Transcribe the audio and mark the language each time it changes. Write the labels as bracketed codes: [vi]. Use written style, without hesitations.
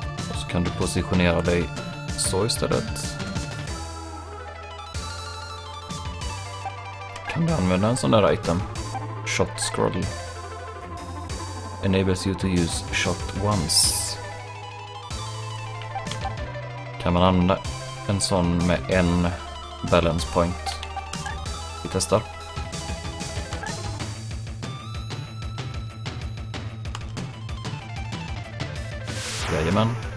[sv] Och så kan du positionera dig så istället. Kan du använda en sån där item? [en] Shot scroll. Enables you to use shot once. [sv] Kan man använda en sån med en balance point? Vi testar. Jajamän.